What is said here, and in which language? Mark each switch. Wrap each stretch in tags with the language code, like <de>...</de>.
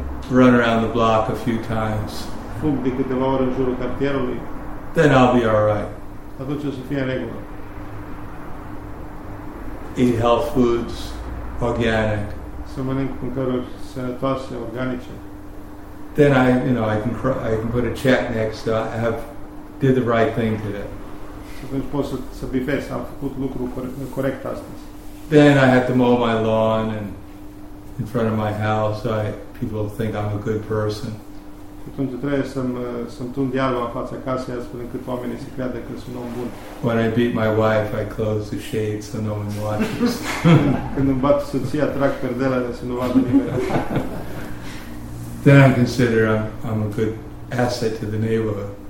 <en>Run around the block a few times.</en> <ro>Fug de câteva ori în jurul cartierului.</ro> <en>Then I'll be all right.</en> <ro>Atunci o să fie în regulă.</ro> <en>Eat health foods, organic.</en> <ro>Să mănânc mâncăruri sănătoase, organice.</ro> <en>Then I, you know, I can put a check next to I have did the right thing today.</en> <ro>Atunci pot să bifez, am făcut lucrul corect astăzi.</ro> <en>Then I have to mow my lawn and in front of my house, people think I'm a good person.</en> <ro>atunci trebuie să tun dialogul în fața casei astfel încât oamenii să creadă că sunt om bun.</ro> <en>When I beat my wife, I close the shades so no one watches.</en> <ro>Când îmi bat soția, trag perdela de să nu vadă nimeni.</ro> <en>Then I consider I'm a good asset to the neighborhood.</en>